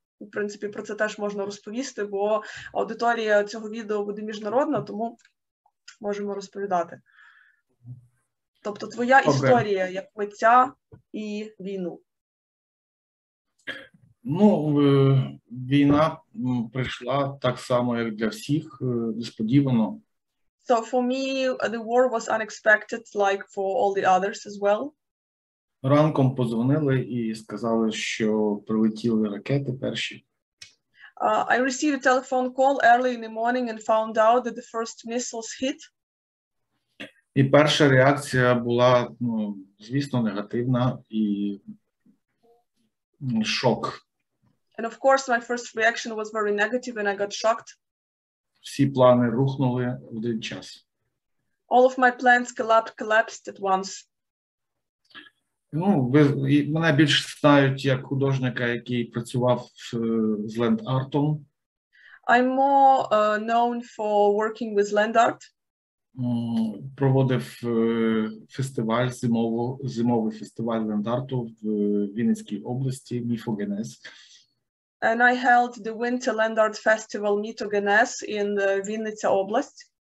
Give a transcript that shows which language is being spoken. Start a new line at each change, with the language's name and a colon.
Ukrainian: В принципі, про це теж можна розповісти, бо аудиторія цього відео буде міжнародна, тому можемо розповідати. Тобто твоя історія як митця і війну. Ну, війна прийшла так само, як для всіх, несподівано.
English: So for me, the war was unexpected, like for all the others as well.
Ukrainian: Ранком подзвонили і сказали, що прилетіли ракети перші.
English: I received a telephone call early in the morning and found out that the first missiles hit.
Ukrainian: І перша реакція була, ну, звісно, негативна і шок.
English: And of course, my first reaction was very negative and I got shocked.
Ukrainian: Всі плани рухнули в один час.
English: All of my plans collapsed at once.
Ukrainian: Ну, ви, мене більше знають як художника, який працював з ленд-артом.
English: I'm more known for working with land art.
Ukrainian: Проводив фестиваль зимовий фестиваль ленд-арту в Вінницькій області Міфогенез.
English: And I held the Winter Land Art Festival Mitogenes in the Vinnytsia Oblast.